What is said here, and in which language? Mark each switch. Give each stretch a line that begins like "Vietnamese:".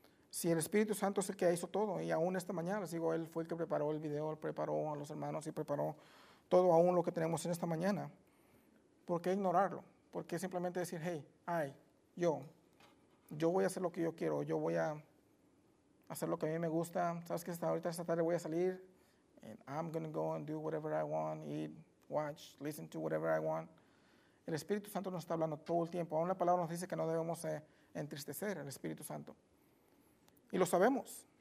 Spanish: Si el Espíritu Santo es el que hizo todo, y aún esta mañana, les digo, él fue el que preparó el video, él preparó a los hermanos y preparó todo aún lo que tenemos en esta mañana, ¿por qué ignorarlo? ¿Por qué simplemente decir, hey, yo voy a hacer lo que yo quiero, yo voy a hacer lo que a mí me gusta? ¿Sabes qué? Ahorita esta tarde voy a salir
English: and I'm going to go and do whatever I want, eat, watch, listen to whatever I want.
Spanish: El Espíritu Santo nos está hablando todo el tiempo. Aún la palabra nos dice que no debemos entristecer al Espíritu Santo. Y lo sabemos.